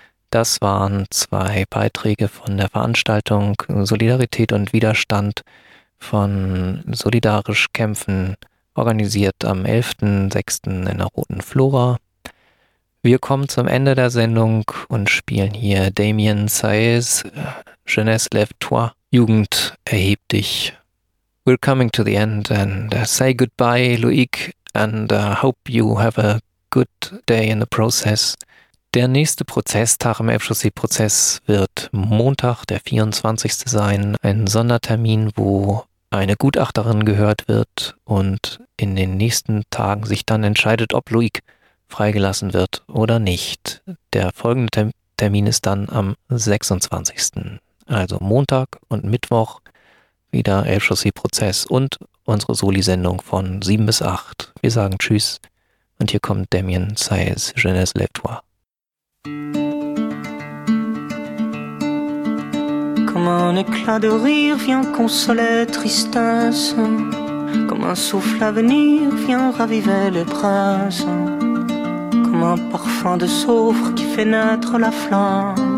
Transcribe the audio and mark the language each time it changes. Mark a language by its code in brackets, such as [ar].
[de] Das waren zwei Beiträge von der Veranstaltung Solidarität und Widerstand von Solidarisch Kämpfen, organisiert am 11.06. in der Roten Flora. Wir kommen zum Ende der Sendung und spielen hier Damien Saez, Jeunesse Lève-toi, Jugend, erheb dich. [en] We're coming to the end and say goodbye, Loïc, and hope you have a good day in the process. [de] Der nächste Prozesstag im Elbchaussee-Prozess wird Montag, der 24. sein. Ein Sondertermin, wo eine Gutachterin gehört wird und in den nächsten Tagen sich dann entscheidet, ob Loïc freigelassen wird oder nicht. Der folgende Termin ist dann am 26. Also Montag und Mittwoch wieder Elbchaussee-Prozess und unsere Soli-Sendung von 7 bis 8. Wir sagen Tschüss und hier kommt Damien Saez, Jeunesse Lève-toi. [fr] Comme un éclat de rire vient consoler tristesse, comme un souffle à venir vient raviver les braises, comme un parfum de soufre qui fait naître la flamme.